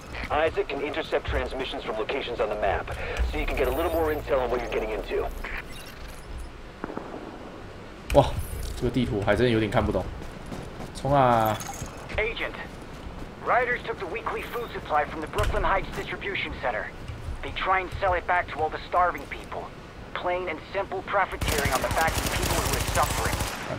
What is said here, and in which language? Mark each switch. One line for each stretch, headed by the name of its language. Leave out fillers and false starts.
English: Isaac can intercept transmissions from locations on the map, so you can get a little more intel on what you're getting into.
Chinese: 哇，这个地图还真有点看不懂。冲啊
English: ！Agent, Riders took the weekly food supply from the Brooklyn Heights distribution center. They try and sell it back to all the starving people. Plain and simple profiteering on the backs of people who are suffering.